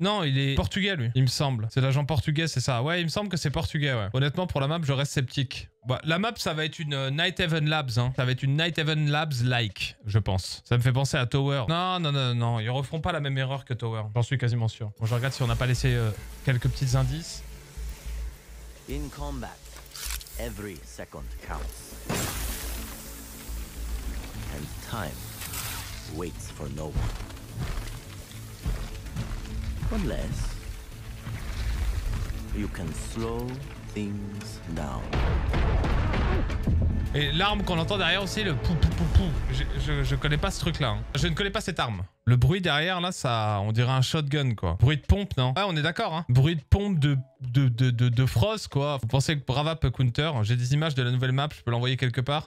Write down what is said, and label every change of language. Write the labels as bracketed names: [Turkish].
[French] Non, il est portugais lui, il me semble. C'est l'agent portugais, c'est ça. Ouais, il me semble que c'est portugais, ouais. Honnêtement, pour la map, je reste sceptique. Bah, la map, ça va être une Night Haven Labs, hein. Ça va être une Night Haven Labs-like, je pense. Ça me fait penser à Tower. Non. Ils referont pas la même erreur que Tower. J'en suis quasiment sûr. Bon, je regarde si on n'a pas laissé quelques petits indices. [English] In combat, every second counts. And time waits for no one. Unless you can slow things down. [French] Et l'arme qu'on entend derrière aussi, le pou pou pou pou. Je connais pas ce truc là. Hein. Je ne connais pas cette arme. Le bruit derrière là, ça, on dirait un shotgun quoi. Bruit de pompe, non ? Ouais, on est d'accord. Hein. Bruit de pompe de frost quoi. Vous pensez que Brava peut counter ? J'ai des images de la nouvelle map, je peux l'envoyer quelque part.